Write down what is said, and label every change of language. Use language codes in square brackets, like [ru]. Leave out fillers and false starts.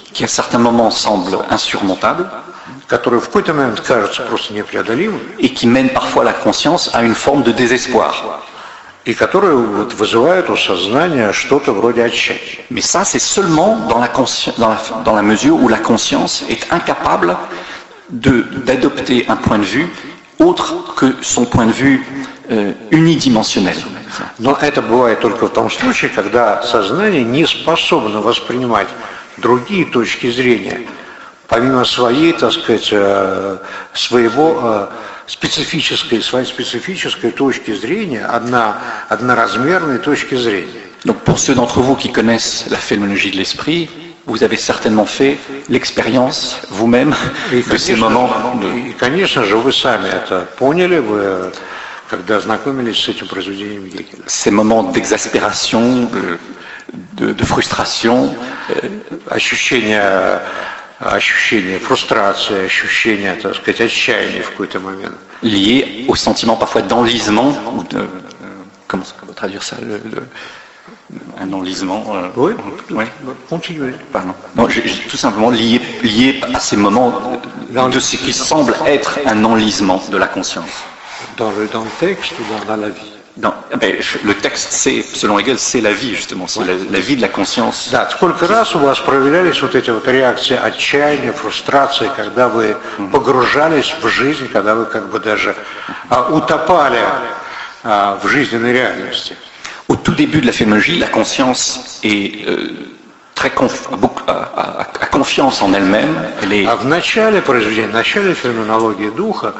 [fr] qui à certains moments semblent insurmontables, [ru] которые в какой-то момент кажутся просто непреодолимыми, [fr] et qui mènent parfois la conscience à une forme de désespoir. [ru] И которые вот вызывают у сознания что-то вроде отчаяния. [fr] Mais ça, c'est seulement dans la mesure où la conscience est incapable d'adopter un point de vue autre que son point de vue unidimensionnel. [ru] Но это бывает только в том случае, когда сознание не способно воспринимать другие точки зрения, помимо своей, так сказать, своей специфической точки зрения, одноразмерной точки зрения. [fr] Donc pour ceux d'entre vous qui connaissent la phénoménologie de l'esprit, vous avez certainement fait l'expérience vous-même de ces moments. [ru] И, конечно же, вы сами это поняли, вы когда знакомились с этим произведением. [fr] Ces moments d'exaspération, de frustration, [ru] ощущение фрустрации, ощущение, так сказать, отчаяния в какой-то момент. [fr] Lié au sentiment parfois d'enlisement, ou de... Comment ça peut traduire ça un enlisement Oui, oui. Continuez. Pardon. Non, j'ai tout simplement lié à ces moments de ce qui semble être un enlisement de la conscience. Dans le texte ou dans la vie? Non, mais le texte, c'est, selon Hegel, c'est la vie, justement, c'est la vie de la conscience. [ru] Да, сколько раз у вас проявлялись вот эти вот реакции отчаяния, фрустрации, когда вы погружались в жизнь, когда вы как бы даже утопали в жизненной реальности? [fr] Au tout début de la phénoménologie, la conscience est très a confiance en elle-même. Elle est. [ru] А в начале произведения, в начале феноменологии духа,